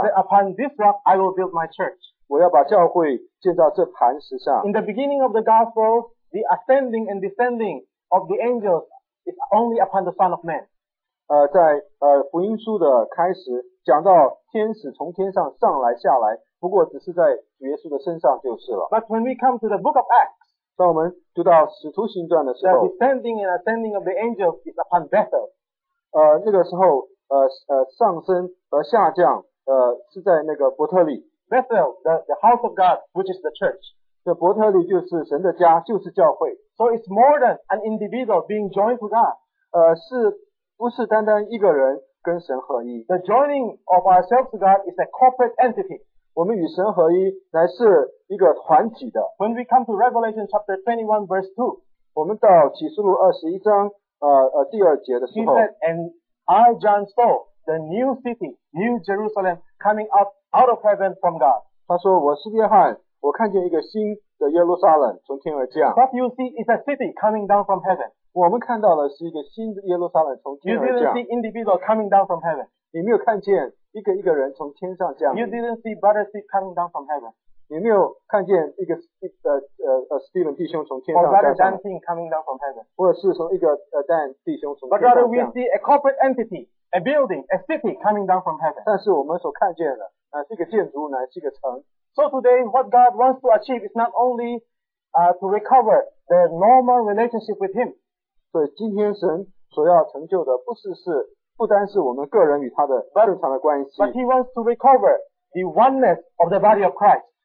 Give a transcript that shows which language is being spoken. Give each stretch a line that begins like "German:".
English: Upon this rock I will build my church.
Chinese: 我要把教会建造这磐石上。
English: In the beginning of the gospel, the ascending and descending of the angels is only upon the Son of Man.
Chinese: 在福音书的开始讲到天使从天上上来下来，不过只是在主耶稣的身上就是了。
English: But when we come to the book of Acts,
Chinese: 当我们读到使徒行传的时候
English: ，the descending and ascending of the angels is upon Bethel.
Chinese: 那个时候上升和下降是在那个伯特利。
English: Bethel, the house of God, which is the church.
Chinese: 这伯特利就是神的家，就是教会。
English: So it's more than an individual being joined to God.
Chinese: 是。不是单单一个人跟神合一。
English: The joining of ourselves to God is a corporate entity.
Chinese: 我们与神合一乃是一个团体的。
English: When we come to Revelation chapter 21 verse 2,
Chinese: 我们到启示录二十一章第二节的时候
English: ，He said, "And I, John, saw the new city, New Jerusalem, coming up out of heaven from God."
Chinese: 他说我是约翰，我看见一个新的耶路撒冷从天而降。
English: What you see is a city coming down from heaven.
Chinese: 我们看到的是一个新的耶路撒冷从天而降。
English: You didn't see individual coming down from heaven.
Chinese: 你没有看见一个一个人从天上降临。
English: You didn't see brother Steve coming down from heaven.
Chinese: 你没有看见一个Stephen 弟兄从天上降临。
English: Or brother Dan King coming down from heaven.
Chinese: 或者是从一个Dan 弟兄从天上降临。
English: But rather we see a corporate entity, a building, a city coming down from heaven.
Chinese: 但是我们所看见的是一个建筑乃是一个城。
English: So today what God wants to achieve is not only to recover the normal relationship with Him.
Chinese: 所以今天神所要成就的不单是我们个人与他的正常的关系。
English: But he wants to recover the oneness of the body of Christ.